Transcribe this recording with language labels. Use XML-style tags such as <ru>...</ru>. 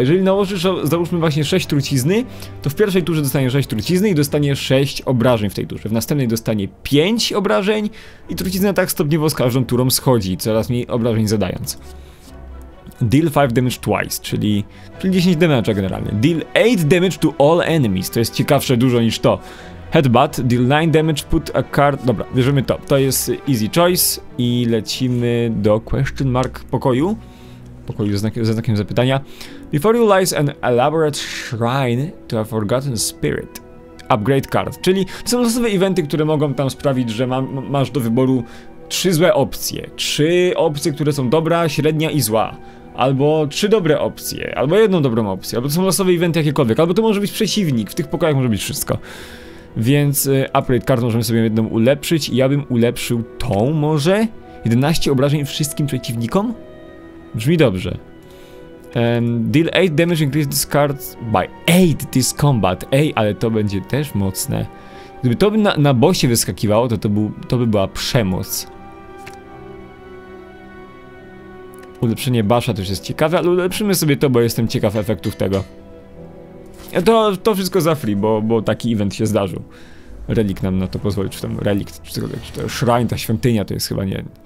<pl>Jeżeli nałożysz, załóżmy właśnie 6 trucizny, to w pierwszej turze dostaniesz 6 trucizny i dostaniesz 6 obrażeń w tej turze. W następnej dostanie 5 obrażeń i trucizna tak stopniowo z każdą turą schodzi, coraz mniej obrażeń zadając.</pl> <en>Deal 5 damage twice, czyli 10 damage generalnie. Deal 8 damage to all enemies,</en> <pl>to jest ciekawsze dużo niż to.</pl> <en>Headbutt, deal 9 damage, put a card.</en> <pl>Dobra, bierzemy to. To jest</pl> <en>easy choice</en> <pl>i lecimy do</pl> <en>question mark</en> <pl>pokoju. Pokoju ze znakiem zapytania.</pl> <en>Before you lies an elaborate shrine to a forgotten spirit. Upgrade card.</en> <pl>Czyli to są losowe eventy, które mogą tam sprawić, że masz do wyboru trzy złe opcje. Trzy opcje, które są dobra, średnia i zła. Albo trzy dobre opcje, albo jedną dobrą opcję. Albo to są losowe eventy jakiekolwiek, albo to może być przeciwnik. W tych pokojach może być wszystko. Więc</pl> <en>upgrade card</en> <pl>możemy sobie jedną ulepszyć i ja bym ulepszył tą może? 11 obrażeń wszystkim przeciwnikom? Brzmi dobrze.</pl> <en>Deal 8 damage increase this card by 8 this combat.</en> <pl>Ej, ale to będzie też mocne. Gdyby to by na bossie wyskakiwało, to by była przemoc. Ulepszenie basza też jest ciekawe, ale ulepszymy sobie to, bo jestem ciekaw efektów tego. To wszystko za free, bo taki event się zdarzył. Relikt nam na to pozwoli, czy tam relikt, czy to shrine, ta świątynia to jest chyba nie.</pl>